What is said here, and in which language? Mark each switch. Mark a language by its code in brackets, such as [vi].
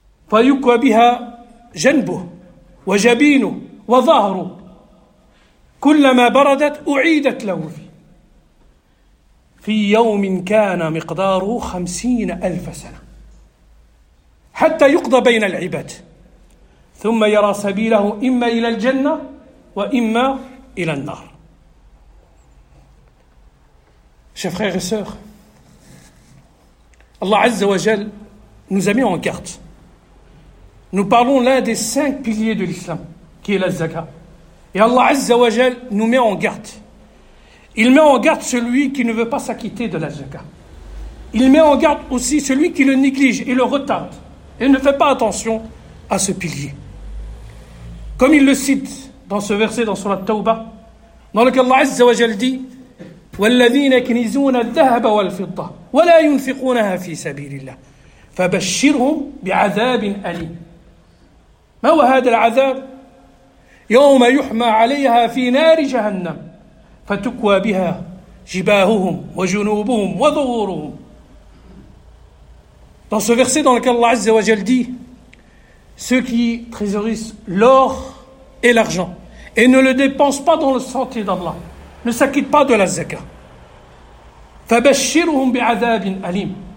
[ar] فيكوى بها جنبه وجبينه وظهره، كلما بردت أعيدت له في يوم كان مقداره 50,000 سنة حتى يقضى بين العباد، ثم يرى سبيله إما إلى الجنة وإما إلى النار. [fr] Chers frères et sœurs, Allah Azza wa Jal nous a mis en garde. Nous parlons l'un des cinq piliers de l'islam, qui est la zakat. Et Allah Azza wa Jal nous met en garde. Il met en garde celui qui ne veut pas s'acquitter de la zaka. Il met en garde aussi celui qui le néglige et le retarde et ne fait pas attention à ce pilier. Comme il le cite dans ce verset dans Surah Tawbah, dans lequel Allah Azza wa Jal dit: « [ar] وَالَّذِينَ كِنِزُونَ الذَّهَبَ وَالْفِضَّةِ ولا ينفقونها في سبيل الله فبشرهم بعذاب أليم. ما هو هذا العذاب؟ يوم يحمى عليها في نار جهنم فتكوى بها جباههم وجنوبهم وظهورهم. [fr] Dans ce verset dans lequel Allah Azza wa Jal dit, ceux qui trésorisent l'or et l'argent et ne le dépensent pas dans le sentier d'Allah, ne s'acquittent pas de la zaka. [ar] فَبَشِّرُهُمْ بِعَذَابٍ أَلِيمٍ.